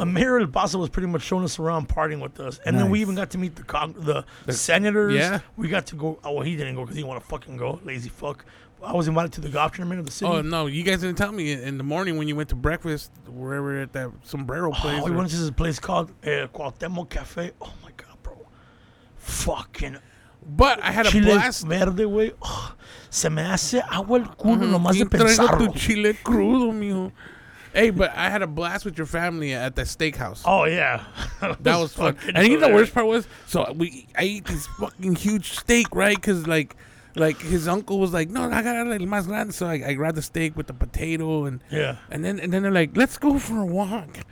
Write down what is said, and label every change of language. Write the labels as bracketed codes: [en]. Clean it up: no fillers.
[en] The mayor of El Paso was pretty much showing us around, partying with us. And then we even got to meet the senators. Yeah. We got to go... Oh, well, he didn't go because he didn't want to fucking go. Lazy fuck. I was invited to the golf tournament of the city. Oh, no. You guys didn't tell me in the morning when you went to breakfast, wherever at that sombrero place. Oh, we went to this place called Cuauhtémoc Cafe. Oh, my God, bro. Fucking. But I had [es] chile [en] a blast. [es] Verde, güey. Oh, se me hace agua el culo nomás de pensarlo. Traigo tu chile crudo, mijo. [en] Hey, but I had a blast with your family at the steakhouse. Oh, yeah. That was fun. And you know the worst part was? So I ate this fucking huge steak, right? Because, like... Like, his uncle was like, no, I got a little [es] más grande. [en] So I grabbed the steak with the potato. And then they're like, let's go for a walk.